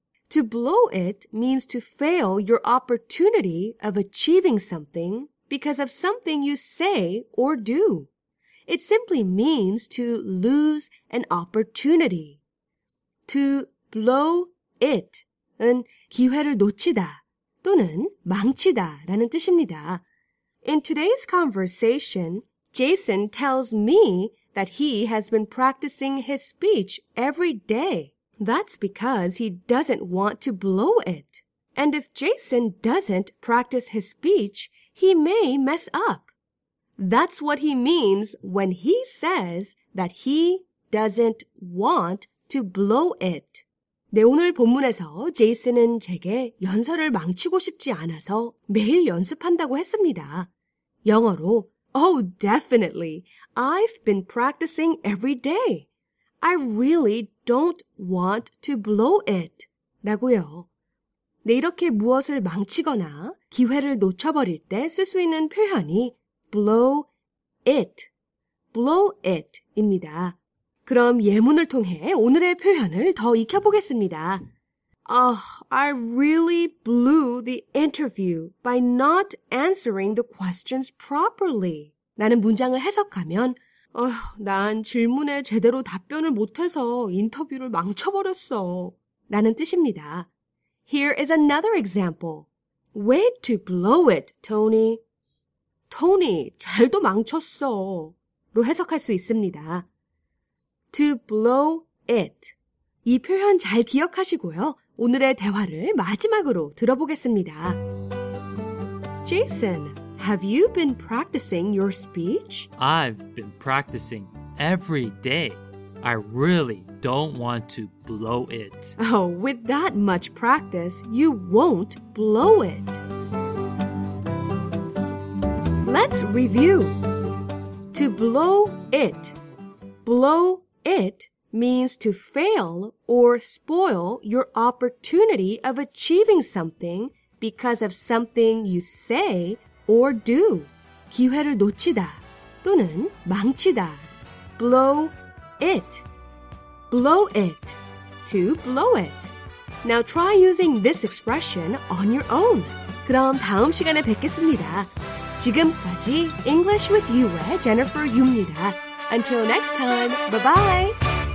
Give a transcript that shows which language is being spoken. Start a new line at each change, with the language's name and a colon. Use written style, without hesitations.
English: To blow it means to fail your opportunity of achieving something because of something you say or do. It simply means to lose an opportunity.
Korean: To blow it은 기회를 놓치다 또는 망치다 라는 뜻입니다.
English: In today's conversation, Jason tells me that he has been practicing his speech every day. That's because he doesn't want to blow it. And if Jason doesn't practice his speech, he may mess up. That's what he means when he says that he doesn't want to blow it.
Korean: 네, 오늘 본문에서 제이슨은 제게 연설을 망치고 싶지 않아서 매일 연습한다고 했습니다. 영어로
English: Oh, definitely. I've been practicing every day. I really don't want to blow it.
Korean: 라고요. 네, 이렇게 무엇을 망치거나 기회를 놓쳐버릴 때 쓸 수 있는 표현이 blow it, blow it입니다. 그럼 예문을 통해 오늘의 표현을 더 익혀보겠습니다.
English: I really blew the interview by not answering the questions properly.
Korean: 라는 문장을 해석하면 난 질문에 제대로 답변을 못해서 인터뷰를 망쳐버렸어. 라는 뜻입니다.
English: Here is another example. Way to blow it, Tony.
Korean: Tony, 잘도 망쳤어. 로 해석할 수 있습니다.
English: To blow it.
Korean: 이 표현 잘 기억하시고요. 오늘의 대화를 마지막으로 들어보겠습니다.
English: Jason, have you been practicing your speech? I've been practicing every day. I really don't want to blow it. Oh, with that much practice, you won't blow it. Let's review. To blow it. Blow it means to fail or spoil your opportunity of achieving something because of something you say or do.
Korean: 기회를 놓치다 또는 망치다.
English: Blow it. Blow it. To blow it. Now try using this expression on your own.
Korean: 그럼 다음 시간에 뵙겠습니다. 지금까지 English with You의 Jennifer Yu입니다.
English: Until next time, bye-bye!